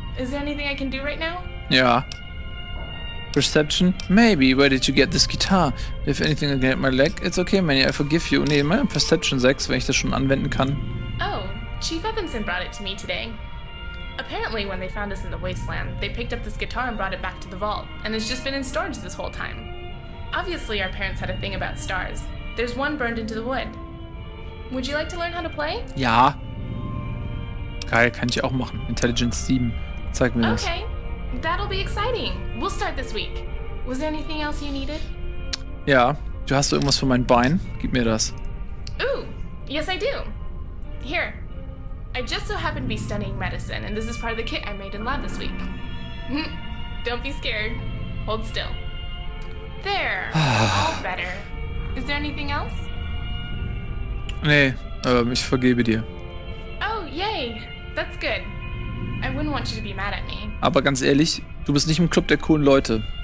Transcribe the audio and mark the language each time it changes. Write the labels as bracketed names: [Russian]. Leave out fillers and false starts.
[English] Is there anything I can do right now? Yeah. Perception? Maybe. Where did you get this guitar? If anything can hit my leg, it's okay, Manny. I forgive you. [German] Nee, mein Perception 6, wenn ich das schon anwenden kann. [English] Oh, Chief Evanson brought it to me today. Apparently, when they found us in the wasteland, they picked up this guitar and brought it back to the vault, and it's just been in storage this whole time. Obviously, our parents had a thing about stars. There's one burned into the wood. Would you like to learn how to play? [German] Ja. Geil, kann ich auch machen. Intelligence 7. Zeig mir Das. [English] Okay. That'll be exciting. We'll start this week. Was there anything else you needed? [German] Ja, du hast irgendwas für mein Bein? Gib mir das. [English] Ooh, yes I do. Here. I just so happen to be studying medicine, and this is part of the kit I made in lab this week. Don't be scared. Hold still. There. All better. Is there anything else? [German] Nee, ich vergebe dir. [English] Oh, yay. That's good. I wouldn't want you to be mad at me. [German] Aber ganz ehrlich, du bist nicht im Club der coolen Leute.